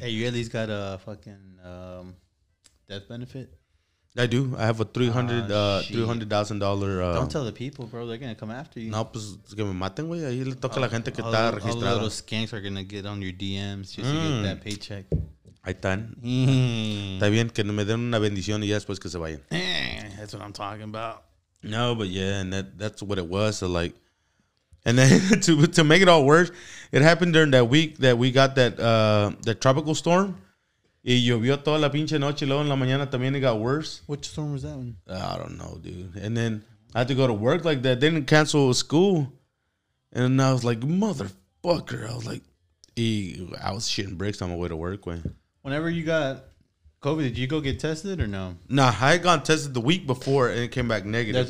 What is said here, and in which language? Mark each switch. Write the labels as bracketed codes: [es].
[en] Hey, you at least got a fucking death benefit? I do. I have a $300,000. Don't tell the people, bro. They're going to come after you. [es] No, pues, que me maten, güey. Ahí le toca a la gente que está registrada. [en] All the little skanks are going to get on your DMs just to get that paycheck. [es] Ahí están. Está bien que me den una bendición y ya después que se vayan. [en] That's what I'm talking about. No, but yeah, and that's what it was. So like, and then to make it all worse, it happened during that week that we got that tropical storm. [es] Y llovió toda la pinche noche, luego en la mañana también [en] it got worse. Which storm was that one? I don't know, dude. And then I had to go to work like that. They didn't cancel school. And I was like, motherfucker. I was like, I was shitting bricks on my way to work. Whenever you got COVID, did you go get tested or no? Nah, I had gone tested the week before and it came back negative.